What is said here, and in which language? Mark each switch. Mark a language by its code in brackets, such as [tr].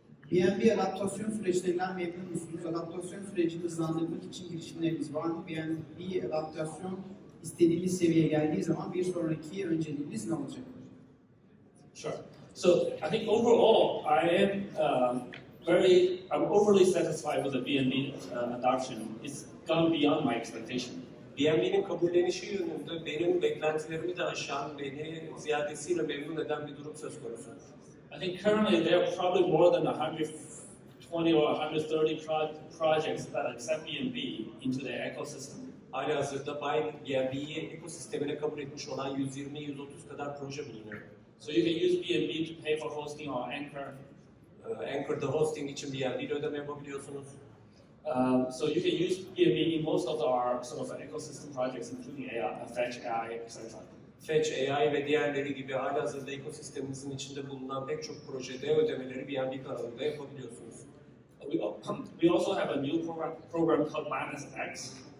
[tr] BNB adaptasyon süreçlerinden memnun musunuz? Adaptasyon sürecini hızlandırmak için girişimlerimiz var mı? BNB adaptasyon istediğimiz seviyeye geldiği zaman bir sonraki önceliğimiz ne olacak? [en] Sure. So I think overall I am I'm overly satisfied with the BNB adoption. It's gone beyond my expectation. [tr] BNB'nin kabullenişi yönünde benim beklentilerimi de aşan, beni ziyadesiyle memnun eden bir durum söz konusu. [en] I think currently there are probably more than 120 or 130 projects that accept BNB into their ecosystem. [tr] Halihazırda BNB'yi ekosistemine kabul etmiş olan 120-130 kadar proje bulunuyor. [en] So you can use BNB to pay for hosting or Anchor. [tr] Anchor'da hosting için BNB ile ödeme yapabiliyorsunuz. [en] So you can use BNB in most of our sort of ecosystem projects including AI, Fetch AI, etc. [tr] Fetch AI ve diğerleri gibi halihazırda ekosistemimizin içinde bulunan pek çok projede ödemeleri BNB kanalında yapabiliyorsunuz. [en] We also have a new program called Binance X.